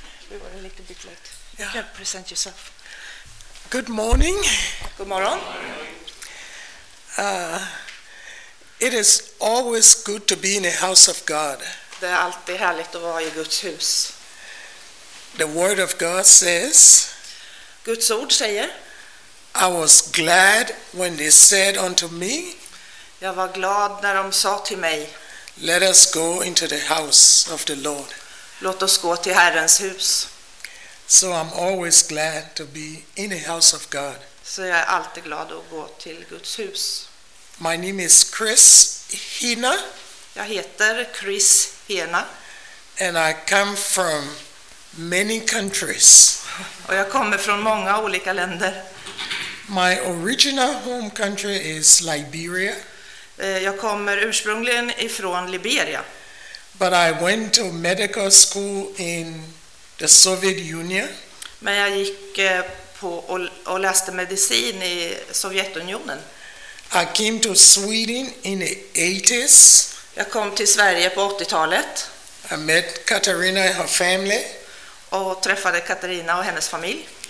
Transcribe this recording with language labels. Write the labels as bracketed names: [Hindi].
[English] We were a little bit late. Yeah. You can present yourself. Good morning. Good morning. It is always good to be in a house of God. [Swedish] Det är alltid härligt att vara i Guds hus. [English] The word of God says. [Swedish] Guds ord säger. [English] I was glad when they said unto me. [Swedish] Jag var glad när de sa till mig. [English] Let us go into the house of the Lord. [Swedish] Låt oss gå till Herrens hus. [English] So I'm always glad to be in the house of God. [Swedish] Så jag är alltid glad att gå till Guds hus. [English] My name is Chris Hina. [Swedish] Jag heter Chris Hina. [English] And I come from many countries. [Swedish] Och jag kommer från många olika länder. [English] My original home country is Liberia. [Swedish] Jag kommer ursprungligen ifrån Liberia. [English] But I went to medical school in the Soviet Union. [Swedish] Men jag gick på och läste medicin i Sovjetunionen. [English] I came to Sweden in the 80s. [Swedish] Jag kom till Sverige på 80-talet. [English] I met Katarina and her family. [Swedish] Och träffade Katarina och hennes familj.